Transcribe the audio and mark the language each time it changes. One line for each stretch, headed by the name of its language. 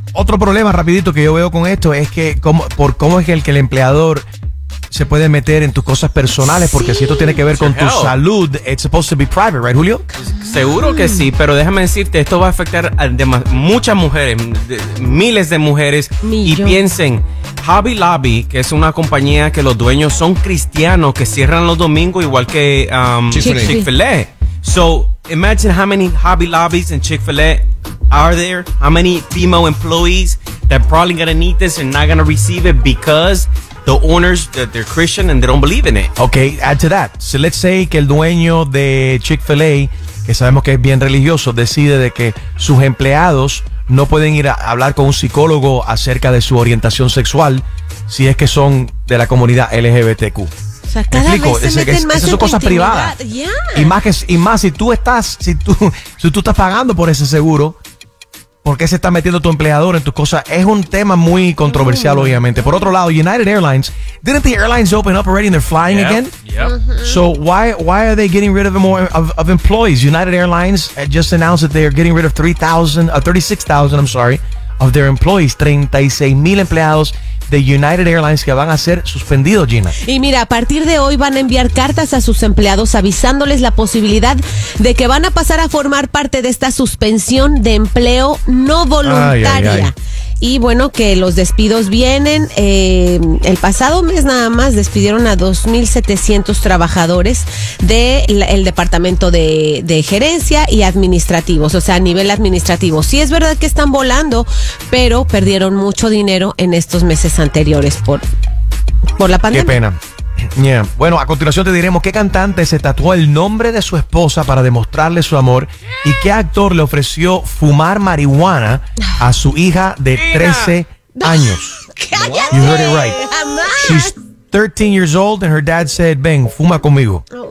Spanish: Otro problema rapidito que yo veo con esto es que cómo es el que el empleador se puede meter en tus cosas personales, porque si esto tiene que ver con tu salud,
English: it's supposed to be private, right,
Spanish: Julio? Seguro que sí, pero déjame decirte, esto va a afectar a muchas mujeres, miles de mujeres. Y piensen, Hobby Lobby, que es una compañía que los dueños son cristianos, que cierran los domingos igual que Chick-fil-A.
English: So, imagine how many Hobby Lobbies and Chick-fil-A are there, how many female employees that probably gonna need this and not gonna receive it because the owners, they're Christian and they don't believe in it. Okay, add to that. So let's say
Spanish: que el dueño de Chick-fil-A, que sabemos que es bien religioso, decide de que sus empleados no pueden ir a hablar con un psicólogo acerca de su orientación sexual si es que son de la comunidad LGBTQ. O sea, cada explico, vez se meten más en son cosas privadas.
English: Yeah.
Spanish: Y más, si tú estás pagando por ese seguro, ¿por qué se está metiendo tu empleador en tus cosas? Es un tema muy controversial, obviamente. Por otro lado,
English: United Airlines, didn't the airlines open up already and they're flying again? So why are they getting rid of more of employees? United Airlines just announced that they are getting rid of 36,000, I'm sorry, of their employees, 36,000
Spanish: empleados de United Airlines que van a ser suspendidos,
English: Gina.
Spanish: Y mira, a partir de hoy van a enviar cartas a sus empleados avisándoles la posibilidad de que van a pasar a formar parte de esta suspensión de empleo no voluntaria. Ay, ay, ay. Y bueno, que los despidos vienen. El pasado mes nada más despidieron a 2,700 trabajadores del departamento de gerencia y administrativos, o sea, a nivel administrativo. Sí es verdad que están volando, pero perdieron mucho dinero en estos meses anteriores por la pandemia. Qué pena.
English: Yeah.
Spanish: Bueno, a continuación te diremos qué cantante se tatuó el nombre de su esposa para demostrarle su amor y qué actor le ofreció fumar marihuana a su hija de 13 años. ¡Cállate!
English: You heard it right. She's 13 years old and her dad said,
Spanish: ven, fuma conmigo.